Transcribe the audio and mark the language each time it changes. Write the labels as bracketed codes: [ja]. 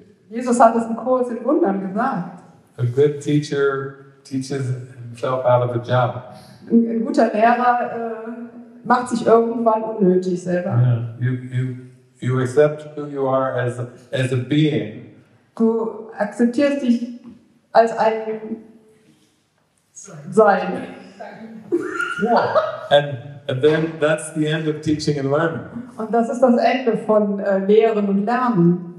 [de] Jesus hat das im Kurs in Wundern gesagt. [en] A good teacher teaches himself out of a job. [de] Ein guter Lehrer macht sich irgendwann unnötig selber. [en] Yeah. You accept who you are as a being. [de] Du akzeptierst dich als ein Sein. [en] Yeah. And then that's the end of teaching and learning. [de] Und das ist das Ende von Lehren und Lernen.